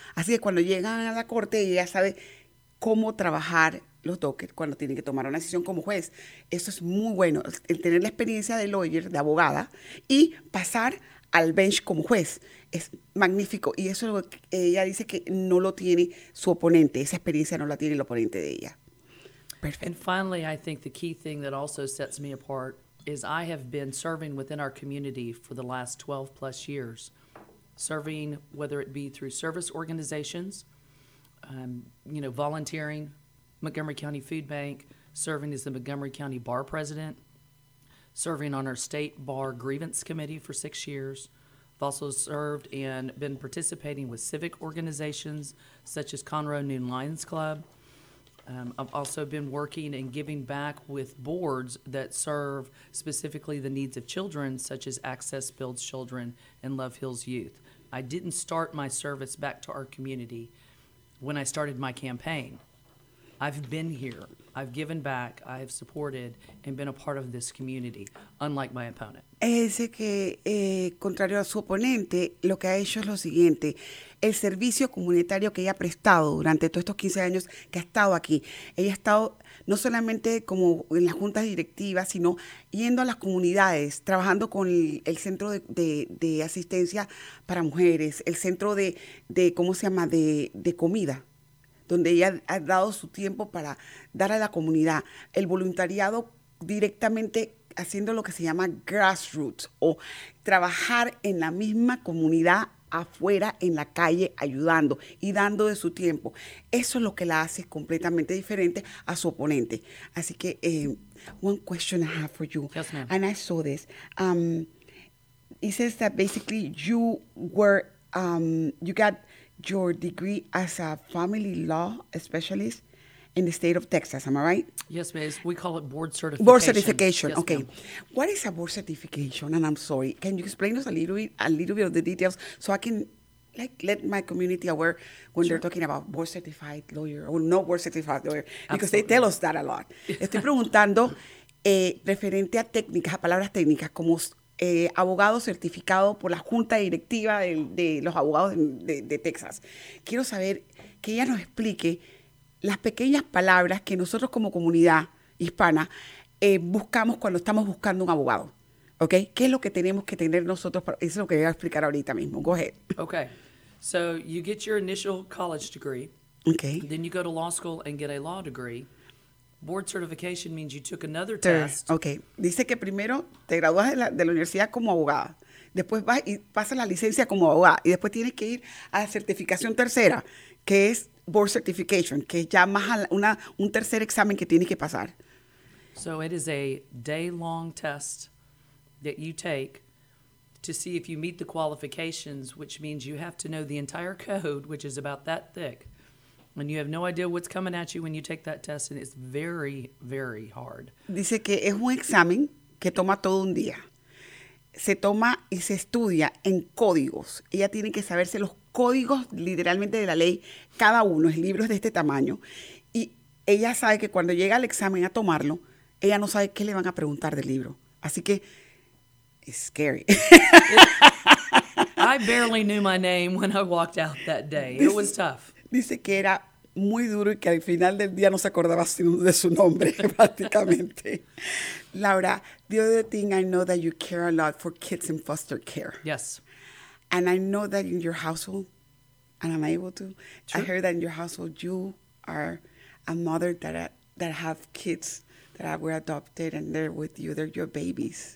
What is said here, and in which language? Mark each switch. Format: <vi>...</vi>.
<es>Así que cuando llegan a la corte, ella sabe cómo trabajar los dockets cuando tiene que tomar una decisión como juez. Eso es muy bueno, el tener la experiencia de lawyer, de abogada, y pasar al bench como juez. Es magnífico. Y eso es lo que ella dice que no lo tiene su oponente. Esa experiencia no la tiene el oponente de ella.</es> <en>Perfect. And finally, I think the key thing that also sets me apart is I have been serving within our community for the last 12 plus years, serving whether it be through service organizations, volunteering, Montgomery County Food Bank, serving as the Montgomery County Bar President, serving on our State Bar Grievance Committee for 6 years. I've also served and been participating with civic organizations such as Conroe Noon Lions Club. I've also been working and giving back with boards that serve specifically the needs of children, such as Access Builds Children and Love Hills Youth. I didn't start my service back to our community when I started my campaign. I've been here. I've given back. I've supported and been a part of this community, unlike my opponent.</en> <es>Ese que, contrario a su oponente, lo que ha hecho es lo siguiente. El servicio comunitario que ella ha prestado durante todos estos 15 años que ha estado aquí. Ella ha estado no solamente como en las juntas directivas, sino yendo a las comunidades, trabajando con el centro de asistencia para mujeres, el centro de ¿cómo se llama?, de comida, donde ella ha dado su tiempo para dar a la comunidad. El voluntariado directamente haciendo lo que se llama grassroots o trabajar en la misma comunidad afuera en la calle ayudando y dando de su tiempo. Eso es lo que la hace completamente diferente a su oponente. Así que,</es> <en>one question I have for you. Yes, ma'am. And I saw this. It says that basically you were, you got your degree as a family law specialist in the state of Texas, am I right? Yes, ma'am. We call it board certification. Board certification, yes, okay. Ma'am. What is a board certification? And I'm sorry, can you explain us a little bit of the details so I can let my community aware when sure. They're talking about board certified lawyer or not board certified lawyer? Because absolutely. They tell us that a lot.</en> <es>Estoy preguntando referente a técnicas, a palabras técnicas, como abogado certificado por la junta directiva de los abogados de Texas. Quiero saber que ella nos explique las pequeñas palabras que nosotros como comunidad hispana buscamos cuando estamos buscando un abogado. ¿Ok? ¿Qué es lo que tenemos que tener nosotros? Eso es lo que voy a explicar ahorita mismo.</es> <en>Go ahead. Ok. So you get your initial college degree. Okay. Then you go to law school and get a law degree. Board certification means you took another test.</en> <es>Okay. Dice que primero te gradúas de la universidad como abogada. Después vas y pasas la licencia como abogada. Y después tienes que ir a la certificación tercera, que es board certification, que es ya más un tercer examen que tienes que pasar.</es> <en>So it is a day-long test that you take to see if you meet the qualifications, which means you have to know the entire code, which is about that thick. And you have no idea what's coming at you when you take that test, and it's very, very hard.</en> <es>Dice que es un examen que toma todo un día. Se toma y se estudia en códigos. Ella tiene que saberse los códigos literalmente de la ley, cada uno, es libros de este tamaño. Y ella sabe que cuando llega al examen a tomarlo, ella no sabe qué le van a preguntar del libro. Así que,</es> <en>it's scary. I barely knew my name when I walked out that day. It was tough. Dice que era muy duro y que al final del día no se acordaba de su nombre, prácticamente. Laura, the other thing I know that you care a lot for kids in foster care. Yes. And I know that in your household, and I'm able to, sure. I heard that in your household you are a mother that have kids that were adopted and they're with you, they're your babies.</en>